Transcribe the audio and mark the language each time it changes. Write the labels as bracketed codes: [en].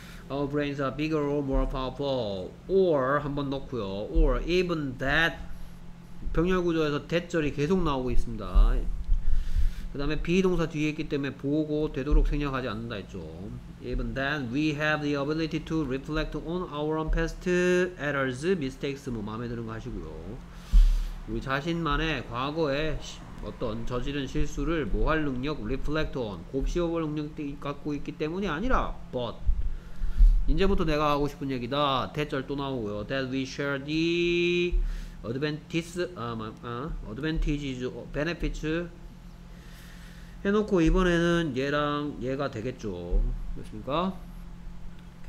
[en] Our brains are bigger or more powerful. Or [ko] 한번 넣고요. [en] Or even that. [ko] 병렬 구조에서 that절이 계속 나오고 있습니다. 그 다음에 비동사 뒤에 있기 때문에 보고 되도록 생략하지 않는다 했죠. [en] Even then, we have the ability to reflect on our own past errors, mistakes. [ko] 뭐 마음에 드는 거 하시고요. 우리 자신만의 과거에 어떤 저지른 실수를 뭐할 능력, reflect on, 곱씹어볼 능력 갖고 있기 때문이 아니라 but, 이제부터 내가 하고 싶은 얘기다. 대절 또 나오고요. [en] That we share the advantages, benefits [ko] 해놓고 이번에는 얘랑 얘가 되겠죠. 그렇습니까? OK.